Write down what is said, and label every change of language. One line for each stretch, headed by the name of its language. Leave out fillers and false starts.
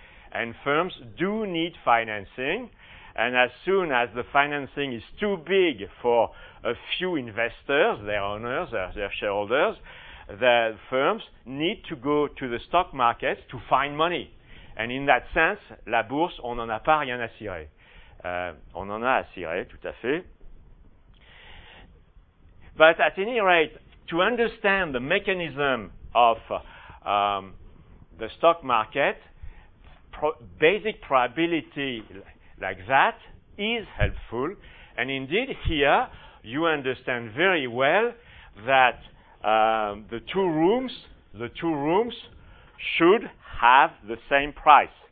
English: And firms do need financing. And as soon as the financing is too big for a few investors, their owners, their shareholders, the firms need to go to the stock market to find money.
French: And in that sense, la bourse, on n'en a pas rien à cirer. On en a à cirer, tout à fait.
English: But at any rate, to understand the mechanism of the stock market, basic probability like that is helpful. And indeed, here, you understand very well that the two rooms should have the same price.